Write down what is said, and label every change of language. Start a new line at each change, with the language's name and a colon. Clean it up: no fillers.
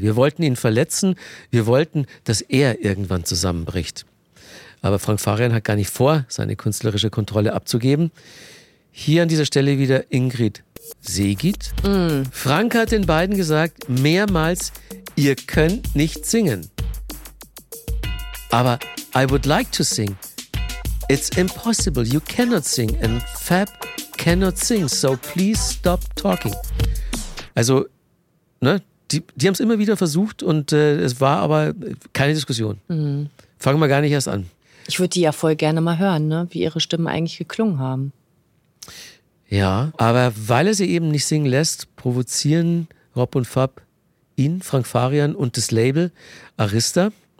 German: Wir wollten ihn verletzen, wir wollten, dass er irgendwann zusammenbricht. Aber Frank Farian hat gar nicht vor, seine künstlerische Kontrolle abzugeben. Hier an dieser Stelle wieder Ingrid Segit. Frank hat den beiden gesagt, mehrmals, ihr könnt nicht singen. Aber
English: I would like to sing. It's impossible. You cannot sing. And Fab cannot sing, so please stop talking.
German: Also, ne, die haben es immer wieder versucht und es war aber keine Diskussion. Mhm. Fangen wir gar nicht erst an. Ich würde die ja voll gerne mal hören, ne, wie ihre Stimmen eigentlich geklungen haben. Ja, aber weil er sie eben nicht singen lässt, provozieren Rob und Fab ihn, Frank Farian und das Label Arista.